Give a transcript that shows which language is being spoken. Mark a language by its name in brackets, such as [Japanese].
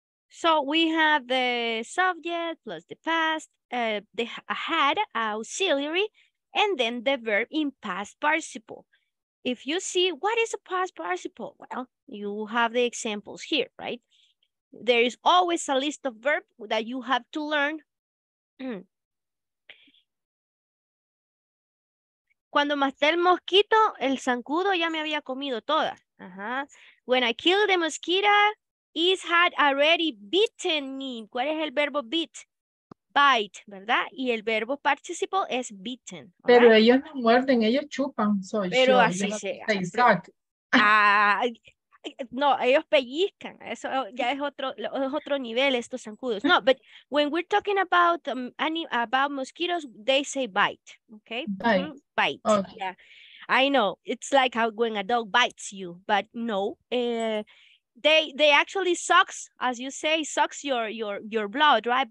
[English] So we have the subject plus the past, the had auxiliary. And then the verb in past participle. If you see, what is a past participle? Well, you have the examples here, right? There is always a list of verbs that you have to learn. [Spanish] Cuando maté el mosquito, el zancudo ya me había comido toda. Uh-huh. [English] When I killed the mosquito, it had already bitten me. [Spanish] ¿Cuál es el verbo bit? Bite, ¿verdad? Y el verbo participle es bitten. ¿Verdad? Pero ellos no muerden, ellos chupan. Pero [English] sure. [Spanish] Así yo sea. Exacto. Ah, no, ellos pellizcan, eso ya es otro nivel, estos zancudos. [English] No, but when we're talking about about mosquitoes, they say bite, okay? Bite. Okay. Yeah. I know, it's like how when a dog bites you, but no, they actually sucks, as you say, sucks your blood, right?